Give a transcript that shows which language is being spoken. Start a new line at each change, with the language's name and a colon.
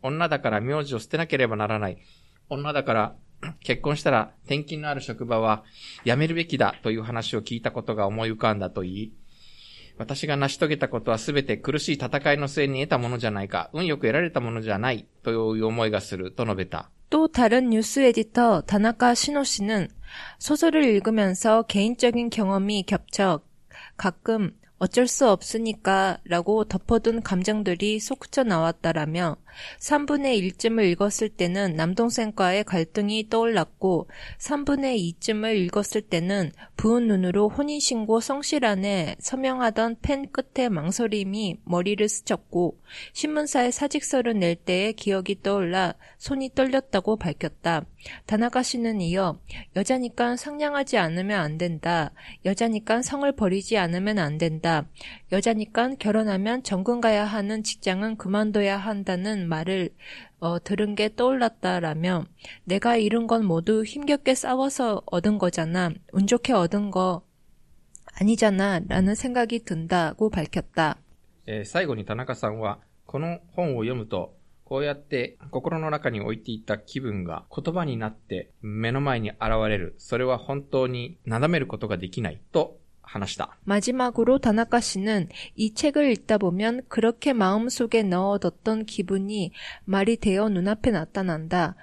Japanese: 女だから名字を捨てなければならない。女だから結婚したら転勤のある職場は辞めるべきだという話を聞いたことが思い浮かんだと言い、私が成し遂げたことはすべて苦しい戦いの末に得たものじゃないか。運よく得られたものじゃないという思いがすると述べた。
Korean: 또 다른 뉴스 에디터 田中 신호 씨는 소설을 읽으면서 개인적인 경험이 겹쳐 가끔 어쩔 수 없으니까 라고 덮어둔 감정들이 솟구쳐 나왔다라며 3분의 1쯤을 읽었을 때는 남동생과의 갈등이 떠올랐고 3분의 2쯤을 읽었을 때는 부은 눈으로 혼인신고 성실 안에 서명하던 펜 끝에 망설임이 머리를 스쳤고 신문사에 사직서를 낼 때의 기억이 떠올라 손이 떨렸다고 밝혔다. 다나가 씨는 이어 여자니까 상냥하지 않으면 안 된다. 여자니까 성을 버리지 않으면 안 된다. 여자니까 결혼하면 정근 가야 하는 직장은 그만둬야 한다는 말을 들은 게 떠올랐다라며 내가 잃은 건 모두 힘겹게 싸워서 얻은 거잖아. 운 좋게 얻은 거 아니잖아 라는 생각이 든다고 밝혔다. 마지막으로 다나가 씨는 이 책을 읽으면
Japanese: こうやって心の中に置いていた気分が言葉になって目の前に現れる。それは本当になだめることができないと話した。
Korean: 마지막으로田中씨는이책을읽다보면그렇게마음속에넣어뒀던기분이말이되어눈앞에나타난다。